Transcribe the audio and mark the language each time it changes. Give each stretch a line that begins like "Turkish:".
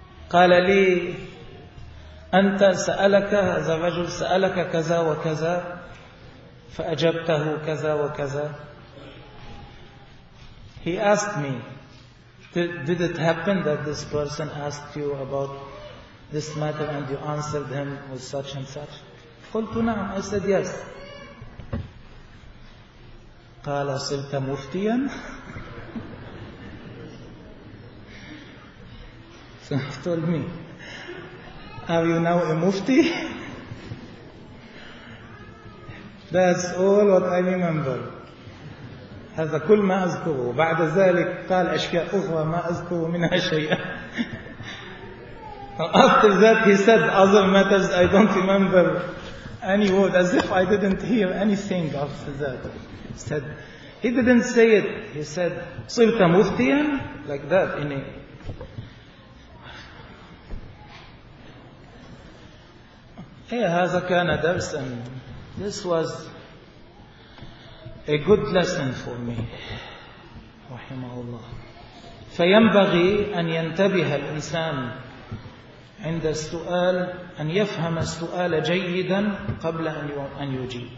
Arabic: قال لي أنت سألك هذا الرجل سألك كذا وكذا فأجبته كذا وكذا.
English: He asked me, did it happen that this person asked you about this matter and you answered him with such and such?
Arabic: قلت نعم.
English: I said yes.
Arabic: قال صرت مفتيا.
English: So he told me, are you now a mufti? That's all what I remember.
Arabic: هذا كل ما أذكره. بعد ذلك قال أشياء أخرى ما أذكر منها شيئا.
English: After that he said other matters I don't remember any word, as if I didn't hear anything after that. Said, he didn't say it. He said
Arabic: صرت مفتيا
English: like that in a.
Arabic: هذا كان درسا.
English: This was a good lesson for me.
Arabic: رحمه الله. فينبغي أن ينتبه الإنسان عند السؤال أن يفهم السؤال جيدا قبل أن يجيب.